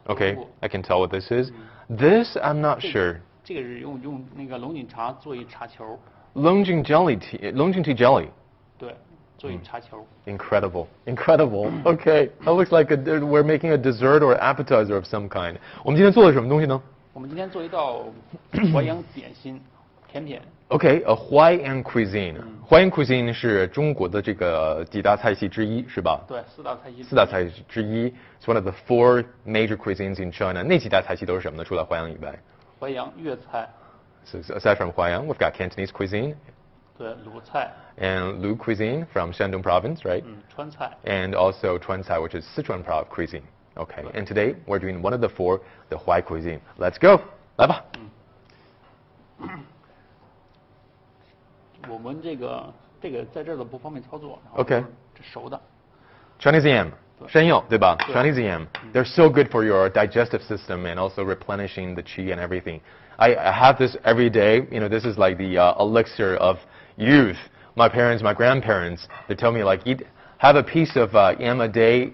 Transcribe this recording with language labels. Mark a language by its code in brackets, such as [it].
[en] OK, I can tell what this is.、嗯、this I'm not sure. [zh] 这个是用那个龙井茶做一茶球。 [en] Longjing jelly tea, Longjing tea jelly. [zh] 对，做一茶球。 [en] Incredible, incredible. Okay, that looks like we're making a dessert or appetizer of some kind. [zh] 我们今天做了什么东西呢？我们今天做一道淮扬点心，甜品。 [en] Okay, a Huaiyang cuisine. Huaiyang cuisine [zh] 是中国的这个几大菜系之一，是吧？对，四大菜系。四大菜系之一 [en] ，It's one of the four major cuisines in China. [zh] 那几大菜系都是什么呢？除了淮扬以外？淮扬粤菜。 [en] So aside from Huaiyang, we've got Cantonese cuisine. [zh] 对，鲁菜。 [en] And Lu cuisine from Shandong province, right? [zh] 嗯，川菜。 [en] And also 川菜, which is Sichuan province cuisine. Okay, and today we're doing one of the four, the Huai cuisine. Let's go, [zh] 来吧。 [en] 嗯。 [zh] 我们这个在这儿都不方便操作。 [en] Okay. [zh] 这熟的。 Chinese yam, 生肉对吧？ [en] Chinese yam, they're so good for your digestive system and also replenishing the qi and everything. I have this every day. You know, this is like the elixir of youth. My parents, my grandparents, they tell me like, have a piece of yam a day.